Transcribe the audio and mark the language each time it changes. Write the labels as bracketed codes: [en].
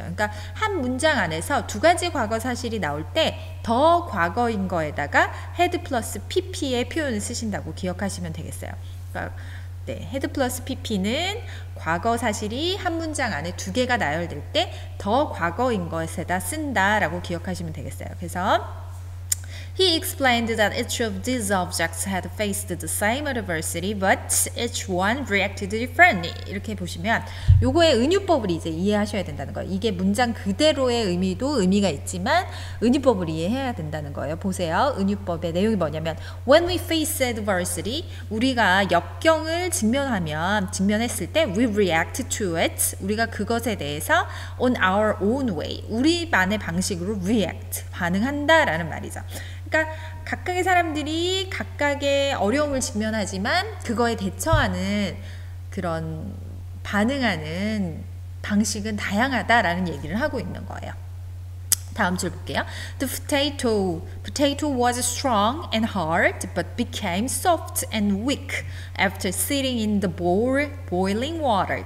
[ko] 그러니까 한 문장 안에서 두 가지 과거 사실이 나올 때더 과거인 거에다가 had plus pp의 표현을 쓰신다고 기억하시면 되겠어요. 그러니까 네, head plus pp는 과거 사실이 한 문장 안에 두 개가 나열될 때더 과거인 것에다 쓴다라고 기억하시면 되겠어요. [en] 그래서 He explained that each of these objects had faced the same adversity, but each one reacted differently. [ko] 이렇게 보시면 요거의 은유법을 이제 이해하셔야 된다는 거예요. 이게 문장 그대로의 의미도 의미가 있지만 은유법을 이해해야 된다는 거예요. 보세요. 은유법의 내용이 뭐냐면 [en] When we face adversity, [ko] 우리가 역경을 직면했을 때 [en] we react to it. [ko] 우리가 그것에 대해서 [en] on our own way, [ko] 우리만의 방식으로 react, 반응한다라는 말이죠. 그러니까 각각의 사람들이 각각의 어려움을 직면하지만 그거에 대처하는 그런 반응하는 방식은 다양하다라는 얘기를 하고 있는 거예요. 다음 줄 볼게요. [en] The potato was strong and hard, but became soft and weak after sitting in the bowl boiling water.